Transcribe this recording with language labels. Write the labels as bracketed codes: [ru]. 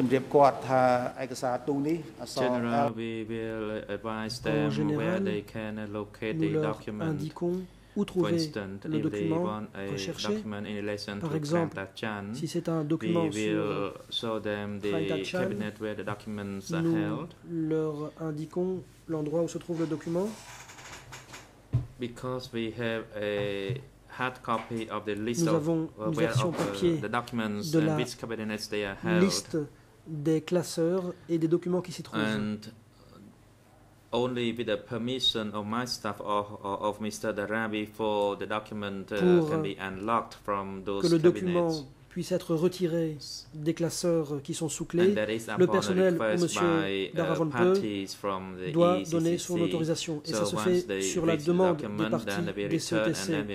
[en] General, we will advise them where they can locate the document. [fr] Où trouver le document recherché? Par exemple, si c'est un document nous leur indiquons l'endroit où se trouve le document. [en] Because we have a hard copy of the list [fr] nous avons une version papier de la liste des classeurs et des documents qui s'y trouvent. [en] And only with the permission of my staff or of Mr. Darabi for the document can be unlocked from those cabinets. [fr] Que le document puisse être retiré des classeurs qui sont sous clé, le personnel, M. Daravanpeu, doit donner son autorisation. Et ça se fait sur la demande des parties des CETC.